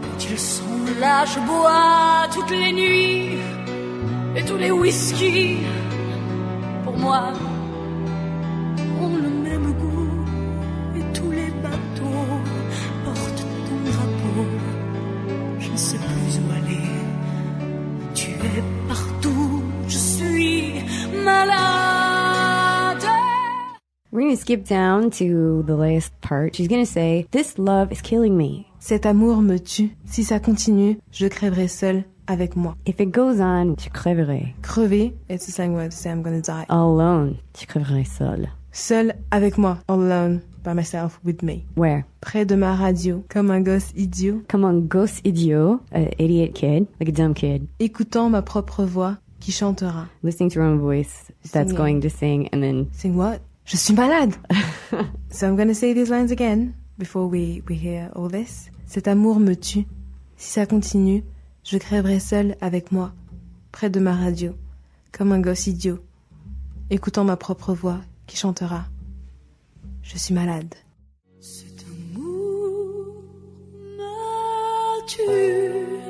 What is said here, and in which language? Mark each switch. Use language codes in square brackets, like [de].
[fr] Ils sont là, je bois toutes les nuits et tous les whisky pour moi ont le même goût et tous les bateaux portent ton drapeau. Je ne sais plus où aller, tu es partout, je suis malade. [en] We're going to skip down to the last part. She's going to say, this love is killing me. [fr] Cet amour me tue. Si ça continue, je crèverai seule avec moi. [en] If it goes on, [fr] tu crèverai. [en] Crever, it's the same word to say I'm gonna die. Alone, [fr] tu crèverai seule. Seule avec moi. [en] Alone, by myself, with me. Where? [fr] Près de ma radio, comme un gosse idiot. Comme un gosse idiot, [en] an idiot kid, like a dumb kid. [fr] Écoutant ma propre voix, qui chantera. [en] Listening to her own voice, that's going to sing, and then... Sing what? [fr] Je suis malade! [en] So I'm gonna say these lines again. Before we hear all this, [fr] cet amour me tue. Si ça continue, je crèverai seule avec moi, près de ma radio, comme un gosse idiot, écoutant ma propre voix qui chantera. Je suis malade. Cet amour me tue.